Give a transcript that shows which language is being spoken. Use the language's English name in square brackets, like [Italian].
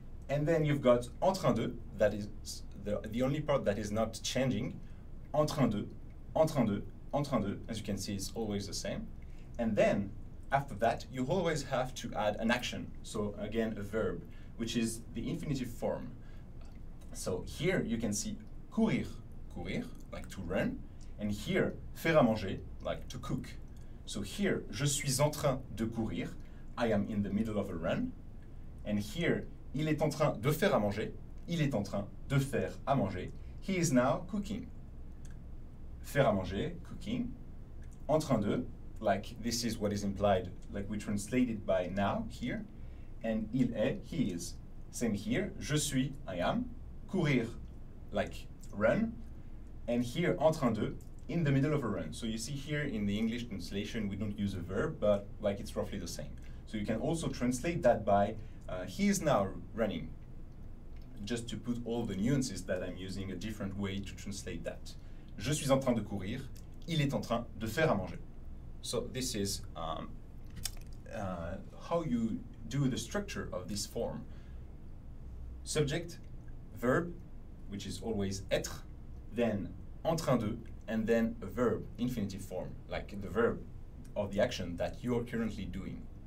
[English] And then you've got en train de, that is the only part that is not changing, en train de, en train de, en train de, as you can see, it's always the same. And then after that, you always have to add an action. So again, a verb, which is the infinitive form. So here you can see courir, courir, like to run. And here, [French] faire à manger, [English] like to cook. [French] So here, je suis en train de courir. [English] I am in the middle of a run. [French] And here, il est en train de faire à manger. Il est en train de faire à manger. [English] He is now cooking. [French] Faire à manger, [English] cooking. En train de, like this is what is implied, like we translate it by now, here. And il est, he is. Same here, je suis, I am. Courir, like run. And here, en train de, in the middle of a run. So you see here in the English translation, we don't use a verb, but like it's roughly the same. So you can also translate that by he is now running, just to put all the nuances that I'm using a different way to translate that. [French] Je suis en train de courir, il est en train de faire à manger. [English] So this is how you do the structure of this form. Subject, verb, which is always être, then en train de, and then a verb, infinitive form, like the verb of the action that you are currently doing.